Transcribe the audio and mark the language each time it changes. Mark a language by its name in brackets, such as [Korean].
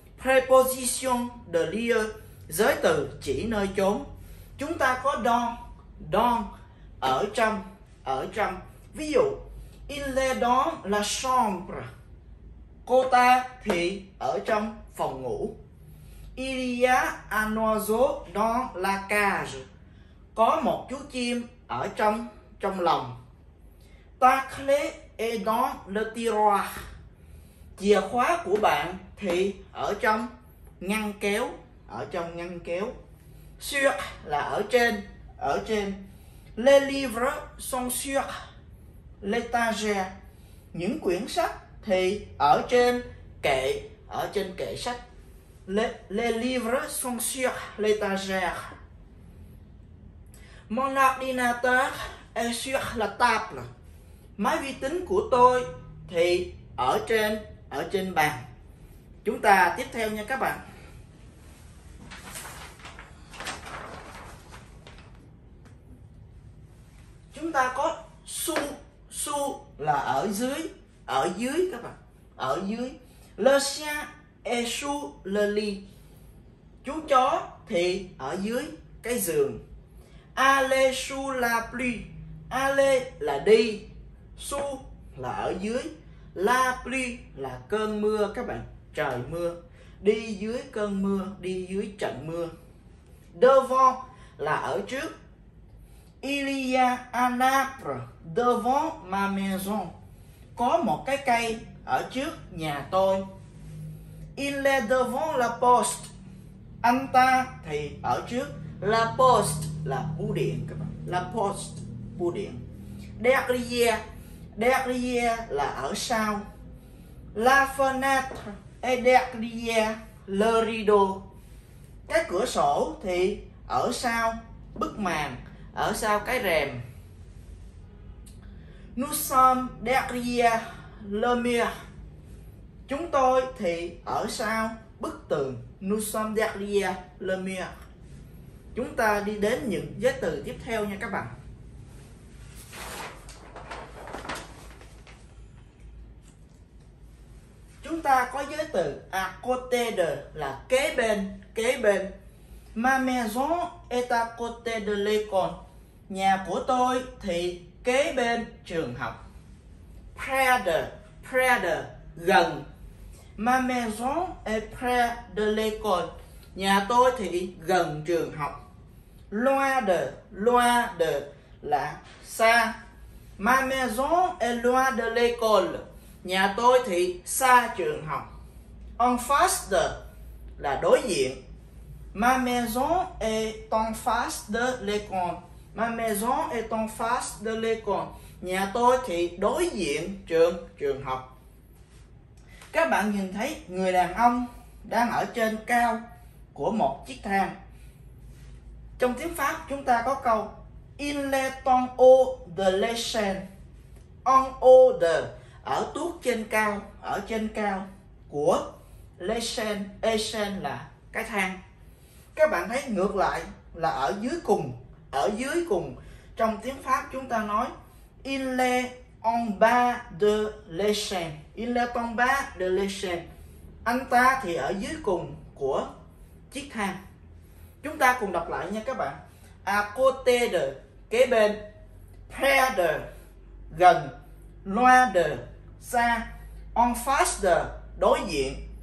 [French] Préposition de lieu, [Vietnamese] giới từ chỉ nơi chốn. Chúng ta có dans, dans, ở trong, ở trong. Ví dụ, [French] il est dans la chambre. [Vietnamese] Cô ta thì ở trong phòng ngủ. [French] Il y a un oiseau dans la cage. [Vietnamese] Có một chú chim ở trong, trong lòng. [French] Ta clé est dans le tiroir. [Vietnamese] Chìa khóa của bạn thì ở trong ngăn kéo, ở trong ngăn kéo. Sur là ở trên, ở trên. [French] Les livres sont sur l'étagère. [Vietnamese] Những quyển sách thì ở trên kệ, ở trên kệ sách. [French] Les livres sont sur l'étagère. Mon ordinateur est sur la table. [Vietnamese] Máy vi tính của tôi thì ở trên, ở trên bàn. Chúng ta tiếp theo nha các bạn. Chúng ta có su, su là ở dưới, ở dưới các bạn, ở dưới. [French] Le chien est sous le lit. [Vietnamese] Chú chó thì ở dưới cái giường. [French] Aller sous la pluie. [Vietnamese] Aller là đi, sous là ở dưới, la pluie là cơn mưa các bạn, trời mưa. Đi dưới cơn mưa, đi dưới trận mưa. Devant là ở trước. [French] Il y a un arbre devant ma maison. [Vietnamese] Có một cái cây ở trước nhà tôi. [French] Il est devant la poste. [Vietnamese] Anh ta thì ở trước la poste, là bưu điện các bạn. La poste, bưu điện. Derrière, derrière là ở sau. [French] La fenêtre est derrière le rideau. [Vietnamese] Cái cửa sổ thì ở sau bức màn, ở sau cái rèm. [French] Nous sommes derrière le mur. [Vietnamese] Chúng tôi thì ở sau bức tường. [French] Nous sommes derrière le mur. [Vietnamese] Chúng ta đi đến những giới từ tiếp theo nha các bạn. Chúng ta có giới từ à côté de là kế bên, kế bên. [French] Ma maison est à côté de l'école. [Vietnamese] Nhà của tôi thì kế bên trường học. [French] Près de, près de, gần. Ma maison est près de l'école. [Vietnamese] Nhà tôi thì gần trường học. Loin de là xa. [French] Ma maison est loin de l'école. [Vietnamese] Nhà tôi thì xa trường học. En face de là đối diện. [French] Ma maison est en face de l'école. Ma maison est en face de l'école. [Vietnamese] Nhà tôi thì đối diện trường, trường học. Các bạn nhìn thấy người đàn ông đang ở trên cao của một chiếc thang. Trong tiếng Pháp chúng ta có câu [French] Il est en haut de l'échelle. En haut de, [Vietnamese] ở tuốt trên cao, ở trên cao của l'échelle. Échelle là cái thang. Các bạn thấy ngược lại là ở dưới cùng, ở dưới cùng. Trong tiếng Pháp chúng ta nói [French] Il est en bas de l'échelle. Il est en bas de l'échelle. [Vietnamese] Anh ta thì ở dưới cùng của chiếc thang. Chúng ta cùng đọc lại nha các bạn. [French] À côté de, [Vietnamese] kế bên. [French] Près de, [Vietnamese] gần. [French] Loin de, [Vietnamese] xa. [French] En face de, [Vietnamese] đối diện.